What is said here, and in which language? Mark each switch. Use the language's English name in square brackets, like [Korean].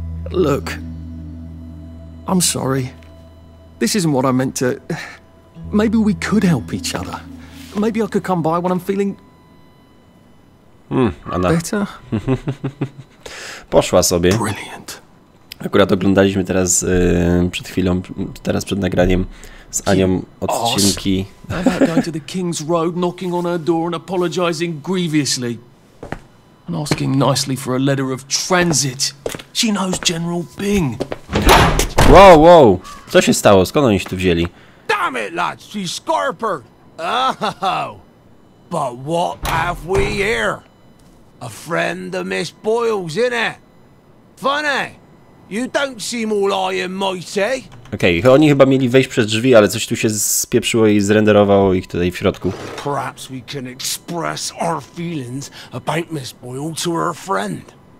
[English] Look. I'm sorry. This isn't what I meant to... Maybe we could help each other. Maybe I could come by when I'm feeling better. [Polish] Poszła sobie. [English] Brilliant. [Polish] Akurat oglądaliśmy teraz przed chwilą, teraz przed nagraniem z Anią odcinki. [English] How about going to the King's Road, knocking on her door and apologizing grievously, and asking nicely for a letter of transit. She knows General Bing. [Polish] Wow, wow. Co się stało? Skąd oni się tu wzięli? [English] Damn it, lads, she's Scarper. Oh, but what have we here? A friend of Miss Boyle's, innit? Funny, you don't seem all high and mighty. [Polish] Okej, okay, oni chyba mieli wejść przez drzwi, ale coś tu się spieprzyło i zrenderowało ich tutaj w środku. [English] Perhaps we can express our feelings about Miss Boyle to her friend.